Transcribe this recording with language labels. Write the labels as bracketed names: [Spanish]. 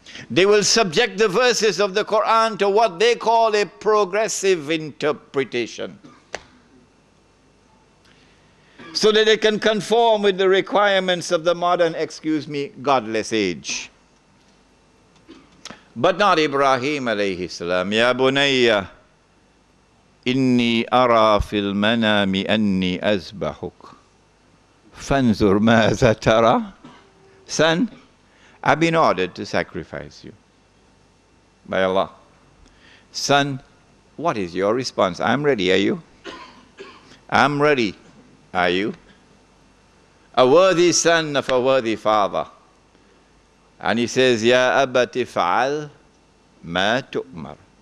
[English] They will subject the verses of the Quran to what they call a progressive interpretation, so that it can conform with the requirements of the modern, excuse me, godless age. But not Ibrahim alayhi salam. [Arabic] Ya Bunayya, إني أرى في المنام أني أذبحك فانظر ماذا ترى [English] son, I've been ordered to sacrifice you by Allah. Son, what is your response? I'm ready, are you? I'm ready, are you? A worthy son of a worthy father. And he says, [Arabic] Ya abati fa'al ma tu'mar.